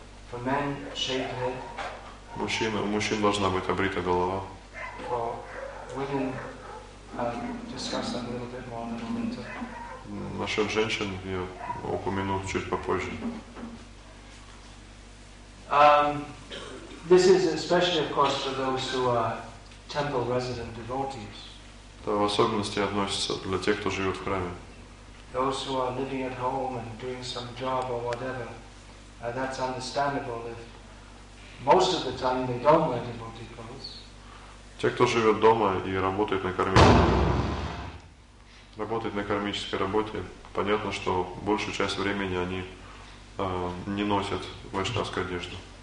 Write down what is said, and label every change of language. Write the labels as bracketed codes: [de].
[en] For men shaved head. [ru] Мужчина, у мужчин должна быть обрита голова. [en] For women, discuss that a little bit more in a moment. [ru] Насчет женщин я упомяну чуть попозже. [en] This is especially, of course, for those who are temple resident devotees. [ru] Это в особенности относится для тех, кто живет в храме. [en] Those who are living at home and doing some job or whatever, that's understandable if most of the time they don't wear devotee clothes. [ru] Те, кто живет дома и работает на кармической работе, понятно, что большую часть времени они не носят вайшнавскую одежду.